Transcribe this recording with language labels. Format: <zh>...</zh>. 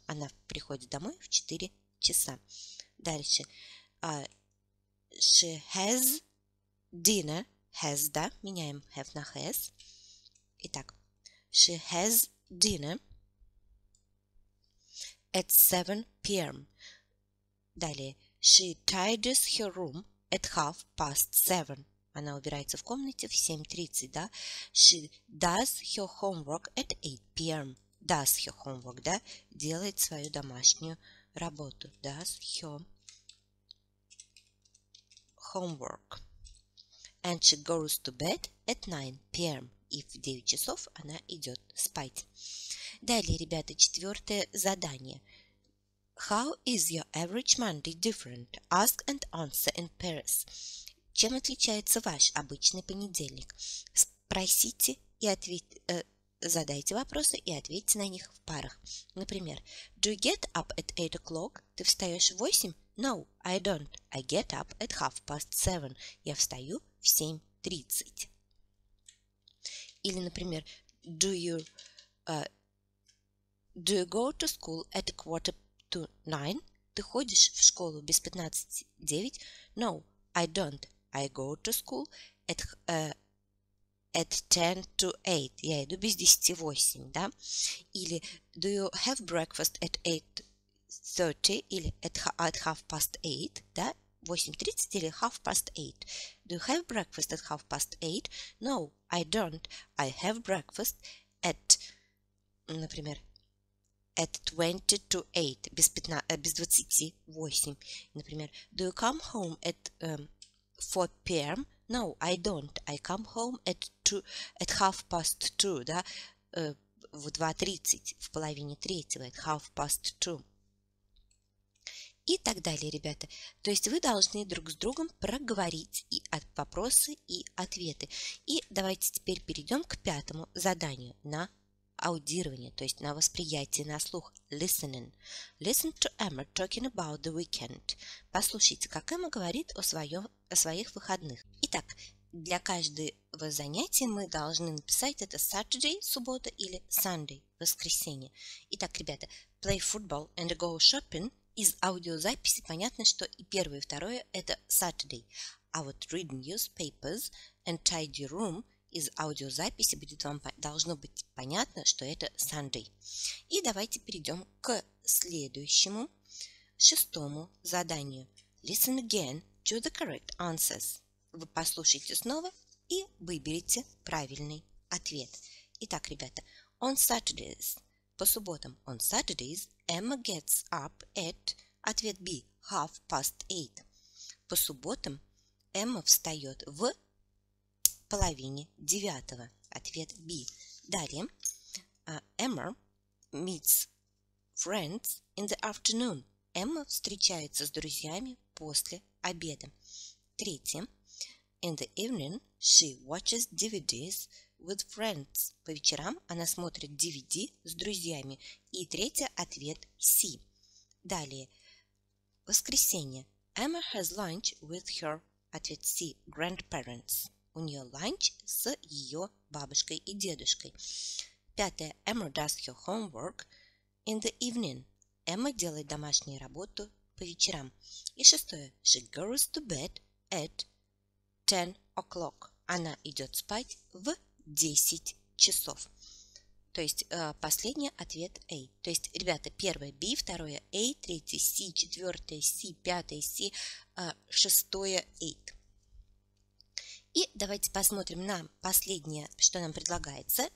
<ru>Она приходит домой в 4 часа. Дальше.</ru> <en>She has dinner. Has,</en> <ru>да? Меняем have на has. Итак.</ru> <en>She has dinner at 7 p.m.</en> <ru>Далее.</ru> <en>She tidies her room at 7:30.</en> <ru>Она убирается в комнате в 7:30, да?</ru> <en>She does her homework at 8 p.m. Does her homework,</en> <ru>да? Делает свою домашнюю работу.</ru> <en>Does her homework. And she goes to bed at 9 p.m.</en> <ru>И в 9 часов она идет спать. Далее, ребята, четвертое задание.</ru> <en>How is your average Monday different? Ask and answer in pairs.</en> <ru>Чем отличается ваш обычный понедельник? Спросите и ответьте, задайте вопросы и ответьте на них в парах. Например,</ru> <en>do you get up at 8 o'clock?</en> <ru>Ты встаешь в 8?</ru> <en>No, I don't. I get up at 7:30.</en> <ru>Я встаю в 7:30. Или, например,</ru> <en>do you go to school at 9:15?</en> <ru>Ты ходишь в школу без 15:09?</ru> <en>No, I don't. I go to school at 10:08.</en> <ru>Я иду без 10:08, да? Или</ru> <en>do you have breakfast at 8:30?</en> <ru>Или at 8:30, да? 8:30 или 8:30.</ru> <en>Do you have breakfast at 8:30? No, I don't. I have breakfast at,</en> <ru>например,</ru> <en>at 7:40,</en> <ru>без 28. Например,</ru> <en>do you come home at 4 p.m. No, I don't. I come home at 2:30,</en> <ru>да, в 2:30, в половине третьего,</ru> <en>at 2:30.</en> <ru>И так далее, ребята. То есть вы должны друг с другом проговорить и вопросы, и ответы. И давайте теперь перейдем к пятому заданию на аудирование, то есть на восприятие, на слух.</ru> <en>Listening. Listen to Emma talking about the weekend.</en> <ru>Послушайте, как Эмма говорит о своих выходных. Итак, для каждого занятия мы должны написать это Saturday, суббота, или Sunday, воскресенье. Итак, ребята,</ru> <en>play football and go shopping.</en> <ru>Из аудиозаписи понятно, что и первое, и второе – это Saturday. А вот</ru> <en>read newspapers and tidy room</en> <ru>из аудиозаписи будет вам должно быть понятно, что это Sunday. И давайте перейдем к следующему, шестому заданию.</ru> <en>Listen again to the correct answers.</en> <ru>Вы послушайте снова и выберите правильный ответ. Итак, ребята,</ru> <en>on Saturdays.</en> <ru>По субботам,</ru> <en>on Saturdays, Emma gets up at,</en> <ru>ответ B,</ru> <en>8:30.</en> <ru>По субботам, Emma встает в половине девятого, ответ B. Далее,</ru> <en>Emma meets friends in the afternoon.</en> <ru>Emma встречается с друзьями после обеда. Третье,</ru> <en>in the evening, she watches DVDs. With friends.</en> <ru>По вечерам она смотрит DVD с друзьями. И третий ответ C. Далее. Воскресенье.</ru> <en>Emma has lunch with her.</en> <ru>Ответ C.</ru> <en>Grandparents.</en> <ru>У нее ланч с ее бабушкой и дедушкой. Пятое.</ru> <en>Emma does her homework in the evening.</en> <ru>Emma делает домашнюю работу по вечерам. И шестое.</ru> <en>She goes to bed at 10 o'clock.</en> <ru>Она идет спать в 10 часов. То есть последний ответ A. То есть, ребята, первое B, второе A, третье C, четвертое C, пятое C, шестое 8. И давайте посмотрим на последнее, что нам предлагается.</ru>